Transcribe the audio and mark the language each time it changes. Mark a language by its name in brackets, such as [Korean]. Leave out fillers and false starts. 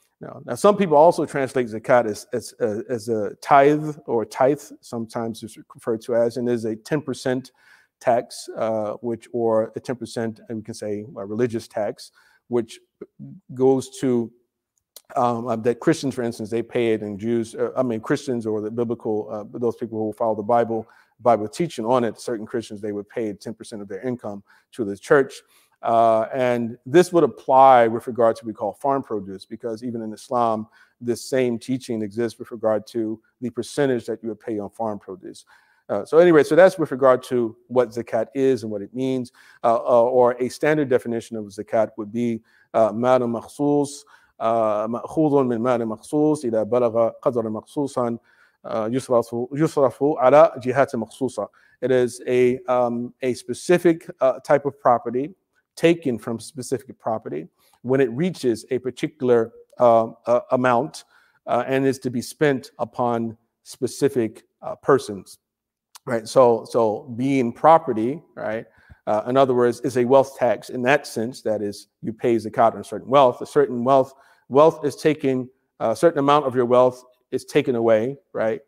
[English] Now, some people also translate zakat as a tithe or tithe, sometimes it's referred to as, and is a 10% tax, which, or a 10%, and we can say a religious tax, which goes to that Christians, for instance, they pay it, and Jews, Christians or the biblical, those people who follow the Bible teaching on it, certain Christians, they would pay 10% of their income to the church. And this would apply with regard to what we call farm produce, because even in Islam, this same teaching exists with regard to the percentage that you would pay on farm produce. So that's with regard to what zakat is and what it means. [Arabic] Or a standard definition of zakat would be مَالُ مَخْصُوص مَأْخُوذٌ مِنْ مَالِ مَخْصُوصٍ إِذَا بَلَغَ قَدْرًا مَخْصُوصًا يُصْرَفُ عَلَى جِهَاتٍ مَخْصُوصًا. [English] It is a specific type of property taken from specific property when it reaches a particular amount and is to be spent upon specific persons, right? So being property, right? In other words, is a wealth tax in that sense, that is, you pay zakat on a certain wealth is taken, a certain amount of your wealth is taken away, right?